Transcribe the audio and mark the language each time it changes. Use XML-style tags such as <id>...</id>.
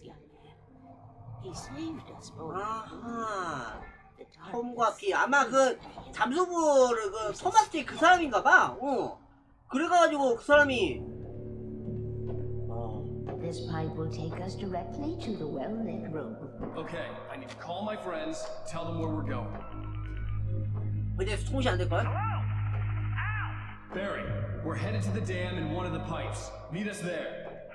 <en>We've both been touched by the darkness, young man. He saved us both.</en> <ko>아하. 톰과 피. 아마 그 잠수부를 그 토마스 제인 그 사람인가봐. 어. 그래가지고 그 사람이.</ko> <en>This pipe will take us directly to the well-lit room. Okay, I need to call my friends. Tell them where we're going.</en> <ko>근데 통신 안 될걸?</ko> <en>Barry, we're headed to the dam in one of the pipes. Meet us there.</en>